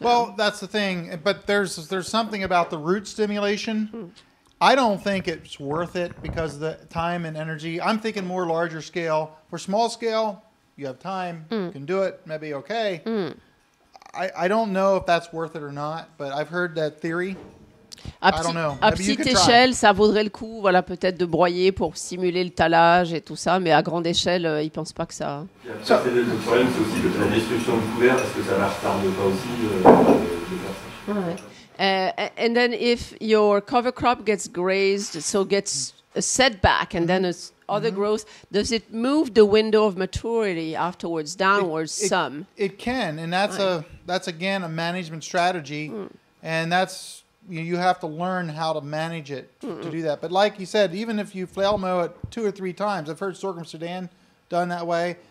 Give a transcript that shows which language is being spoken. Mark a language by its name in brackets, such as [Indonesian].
[English] Well, that's the thing. But there's something about the root stimulation. Mm. I don't think it's worth it because of the time and energy. I'm thinking more larger scale. For small scale, you have time, you can do it, maybe okay. Mm. I don't know if that's worth it or not, but I've heard that theory. I don't know. [French] À petite échelle, ça vaudrait le coup, peut-être de broyer pour simuler le talage et tout ça, mais à grande échelle, ils ne pensent pas que ça. Le problème, c'est aussi de la destruction du couvert, est-ce que ça ne la retarde pas aussi de faire ça? [English] And then if your cover crop gets grazed, so gets a setback, and then it's other mm-hmm. growth, does it move the window of maturity afterwards downwards some? It can, and that's again a management strategy, and that's you have to learn how to manage it to do that. But like you said, even if you flail mow it two or three times, I've heard sorghum sedan done that way.